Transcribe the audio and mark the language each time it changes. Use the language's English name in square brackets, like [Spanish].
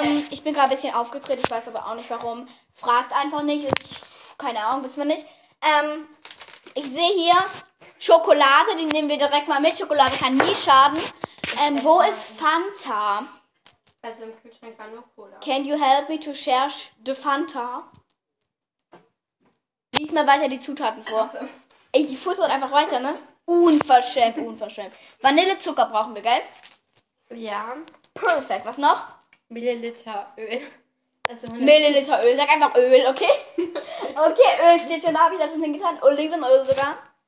[German] Ich bin gerade ein bisschen aufgedreht, ich weiß aber auch nicht warum. Fragt einfach nicht, keine Ahnung, wissen wir nicht. Ich sehe hier Schokolade, die nehmen wir direkt mal mit. Schokolade kann nie schaden. Wo ist Fanta? Also im Kühlschrank war nur Cola. [English] Can you help me to search the Fanta? [German] Lies mal weiter die Zutaten vor. Also. Ey, die futtert einfach weiter, ne? Unverschämt. Vanillezucker brauchen wir, gell? Ja. Perfekt. Was noch? Milliliter Öl. Also Milliliter Öl. Sag einfach Öl, okay? Okay, Öl steht schon da, habe ich das schon hingetan. Olivenöl sogar.